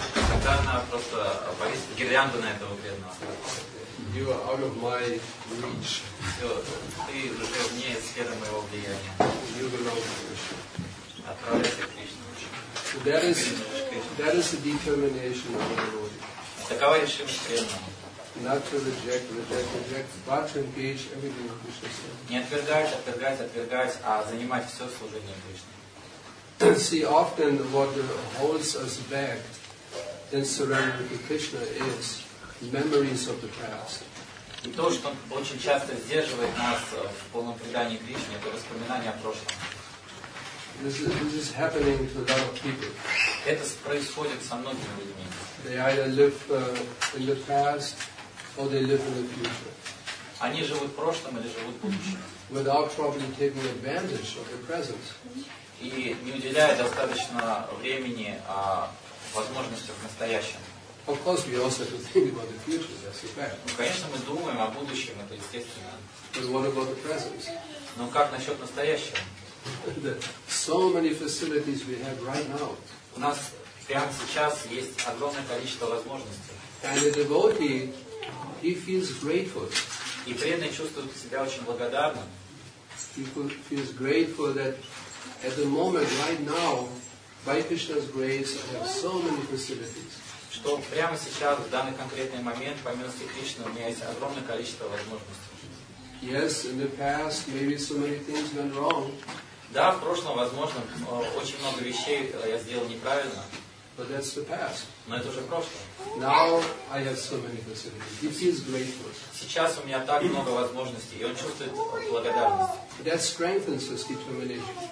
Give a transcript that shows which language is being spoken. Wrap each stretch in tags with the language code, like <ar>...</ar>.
<ru>Тогда она просто повесит гирлянду на этого бедного.</ru> <en>You are out of my reach.</en> <ru>Все, ты уже вне сферы моего влияния.</ru> <en>You belong to Krishna.</en> <ru>Отправляйся к Кришне.</ru> <en>That is the determination of the devotee.</en> <ru>Такова решимость преданного.</ru> <en>Not to reject, but to engage everything in Krishna.</en> <ru>Не отвергать, а занимать все в служении Кришне.</ru> <en>See, often what holds us back in surrender to Krishna is memories of the past.</en> <ru>И то, что очень часто сдерживает нас в полном предании Кришне, это воспоминания о прошлом.</ru> <en>This is happening to a lot of people.</en> <ru>Это происходит со многими людьми.</ru> <en>They either live in the past or they live in the future.</en> <ru>Они живут в прошлом или живут в будущем.</ru> <en>Without properly taking advantage of the present.</en> <ru>И не уделяя достаточно времени возможностям в настоящем.</ru> <en>Of course, we also have to think about the future, that's fair.</en> <ru>Ну, конечно, мы думаем о будущем, это естественно.</ru> <en>But what about the present?</en> <ru>Но как насчет настоящего?</ru> <en>So many facilities we have right now.</en> <ru>У нас прямо сейчас есть огромное количество возможностей.</ru> <en>And the devotee, he feels grateful.</en> <ru>И преданный чувствует себя очень благодарным.</ru> <en>He feels grateful that at the moment, right now, by Krishna's grace, I have so many facilities.</en> <ru>Что прямо сейчас, в данный конкретный момент, по милости Кришны, у меня есть огромное количество возможностей.</ru> <en>Yes, in the past, maybe so many things went wrong.</en> <ru>Да, в прошлом, возможно, очень много вещей я сделал неправильно.</ru> <en>But that's the past.</en> <ru>Но это уже прошлое.</ru> <en>Now I have so many facilities. He feels grateful.</en> <ru>Сейчас у меня так много возможностей, и он чувствует благодарность.</ru> <en>That strengthens his determination.</en>